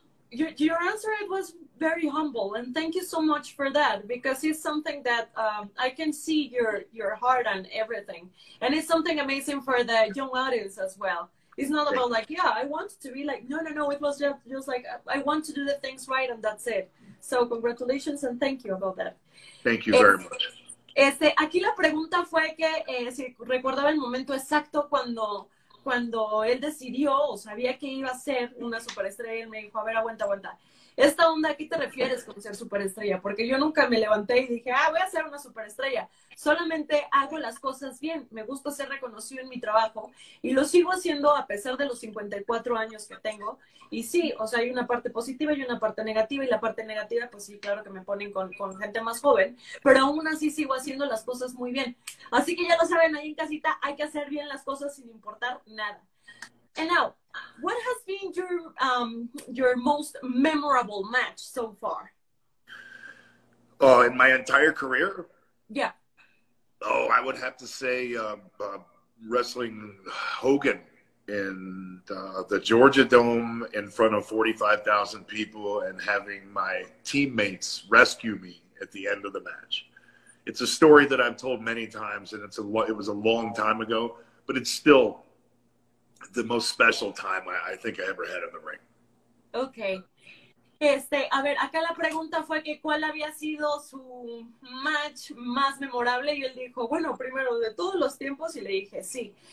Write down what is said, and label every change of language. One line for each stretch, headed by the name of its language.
English: Your answer was very humble, and thank you so much for that, because it's something that I can see your heart and everything, and it's something amazing for the young audience as well. It's not about like, yeah, I want to be like, no, it was just like, I want to do the things right, and that's it. So congratulations, and thank you about that. Thank you very much.
Spanish: Aquí la pregunta fue que si recordaba el momento exacto cuando él decidió o sabía que iba a ser una superestrella, él me dijo, a ver, aguanta. ¿Esta onda a qué te refieres con ser superestrella? Porque yo nunca me levanté y dije, voy a ser una superestrella. Solamente hago las cosas bien. Me gusta ser reconocido en mi trabajo y lo sigo haciendo a pesar de los 54 años que tengo. Y sí, o sea, hay una parte positiva y una parte negativa. Y la parte negativa, pues sí, claro que me ponen con gente más joven. Pero aún así sigo haciendo las cosas muy bien. Así que ya lo saben, ahí en casita hay que hacer bien las cosas sin importar nada.
English: And now, what has been your most memorable match so far? Oh, in my entire career? Yeah. Oh, I would have to say wrestling Hogan in the Georgia Dome in front of 45,000 people and having my teammates rescue me at the end of the match. It's a story that I've told many times, and it was a long time ago, but it's still the most special time I think I ever had in the ring. Okay.
Spanish: A ver, acá la pregunta fue que cuál había sido su match más memorable, y él dijo, bueno, primero de todos los tiempos, y le dije, sí.